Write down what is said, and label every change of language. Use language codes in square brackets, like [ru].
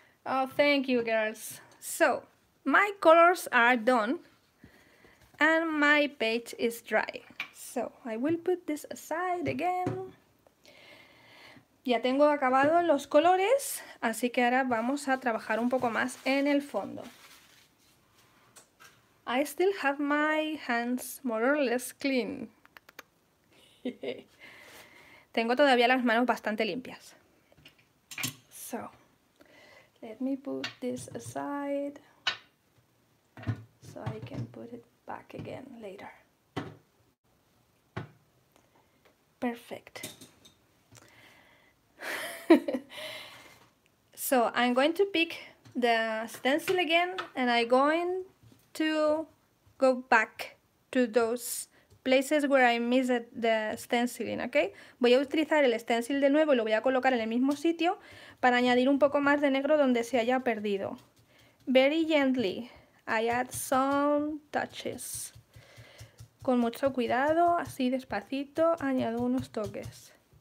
[en] Oh, thank you, girls. So, my colors are done and my page is dry. So, I will put this aside again. [es] Ya tengo acabado los colores, así que ahora vamos a trabajar un poco más en el fondo. [en] I still have my hands more or less clean. [es] Tengo todavía las manos bastante limpias. [en] So, let me put this aside so I can put it back again later. Perfect. So I'm going to pick the stencil again and I'm going to go back to those places where I missed the stenciling, ¿ok? [es] Voy a utilizar el stencil de nuevo y lo voy a colocar en el mismo sitio para añadir un poco más de negro donde se haya perdido. [en] Very gently, I add some touches. [es] Con mucho cuidado, así despacito, añado unos toques.